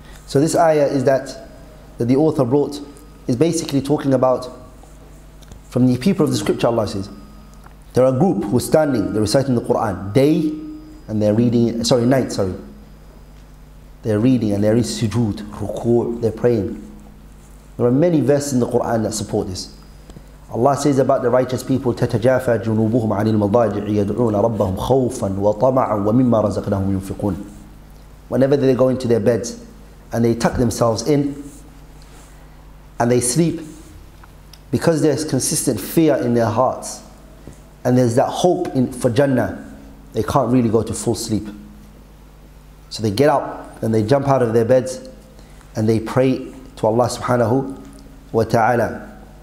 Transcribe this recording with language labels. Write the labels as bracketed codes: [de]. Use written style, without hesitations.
[en] So this ayah is that the author brought is basically talking about from the people of the scripture. Allah says there are a group who are standing, they're reciting the Quran day and they're reading, night. They're reading and they're in sujood, rukur, they're praying. There are many verses in the Quran that support this. [ar] Allah says about the righteous people, تَتَجَافَى جُنُوبُهُمْ عَنِ الْمَضَاجِعِ يَدْعُونَ رَبَّهُمْ خَوْفًا وَطَمَعًا وَمِمَّا رَزَقْنَهُمْ يُنْفِقُونَ. [en] Whenever they go into their beds and they tuck themselves in and they sleep, because there's consistent fear in their hearts and there's that hope for Jannah, they can't really go to full sleep. So they get up and they jump out of their beds and they pray to Allah subhanahu wa ta'ala.